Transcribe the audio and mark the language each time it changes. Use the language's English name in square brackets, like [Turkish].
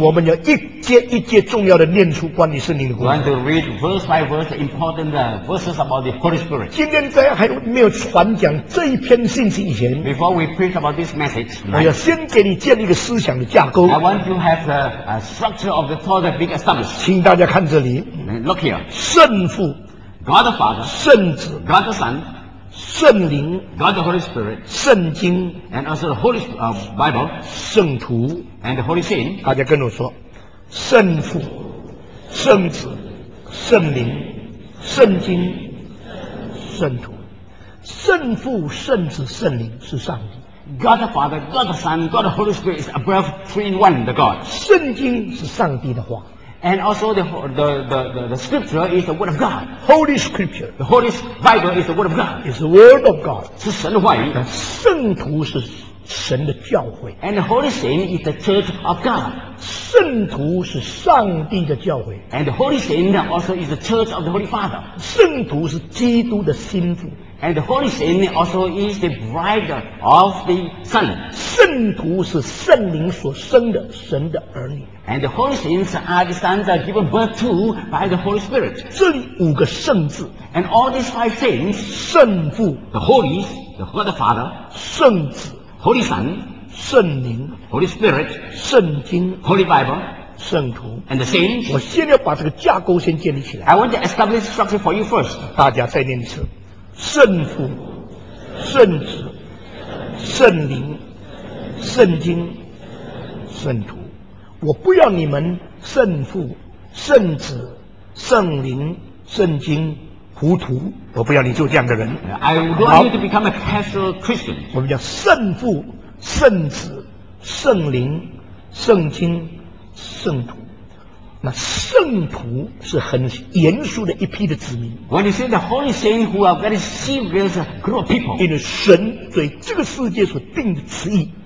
[Chinese] 我们要一节一节重要的念出关于圣灵的故事。 [English] We want to read verse by verse important verses about the Holy Spirit. [Chinese] 今天在还没有传讲这一篇信息以前。 [English] Before we preach about this message. [Chinese] 我要先给你建立一个思想的架构。 [English] I want to have a structure of the thought that being established. [Chinese] 请大家看这里。 [English] Look here. [Chinese] 圣父。 [English] God the Father. [Chinese] 圣子。 [English] God the Son. [Chinese] 圣灵 [English] God the Holy Spirit [Chinese] 圣经 [English] and also the Holy Bible [Chinese] 圣徒 [English] and the Holy Saint [Chinese] 大家跟我说圣父圣子圣灵圣经圣徒圣父圣子圣灵是上帝 [English] God the Father God the Son God the Holy Spirit is above three in one the God [Chinese] 圣经是上帝的话 [English] And also the scripture is the word of God. Holy scripture. The Holy Bible is the word of God. Is the word of God. [Chinese] 是神的话语。圣徒是神的教会。 [English] And the Holy Saint is the church of God. [Chinese] 圣徒是上帝的教会。 [English] And the Holy Saint also is the church of the Holy Father. [Chinese] 圣徒是基督的心腹。 [English] And the Holy Saint also is the bride of the Son. [Chinese] 圣徒是圣灵所生的神的儿女。 [English] And the Holy Saints are the sons are given birth to by the Holy Spirit. [Chinese] 这里五个圣字。 [English] And all these five saints, [Chinese] 圣父 [English] the Holy, the Holy Father, [Chinese] 圣子 [English] Holy Son, [Chinese] 圣灵 [English] Holy Spirit, [Chinese] 圣经 [English] Holy Bible, [Chinese] 圣徒 [English] and the saints, [Chinese] 我先要把这个架构先建立起来。 [English] I want to establish structure for you first. [Chinese] 大家再念一次。圣父圣子圣灵圣经圣徒我不要你们圣父圣子圣灵圣经糊涂我不要你就这样的人 [English] I would want you to become a casual Christian [Chinese] 我们叫圣父圣子圣灵圣经圣徒那圣徒是很严肃的一批的子民 [English] When you say the Holy Saint who are very serious group of people [Chinese] 因为神对这个世界所定的旨意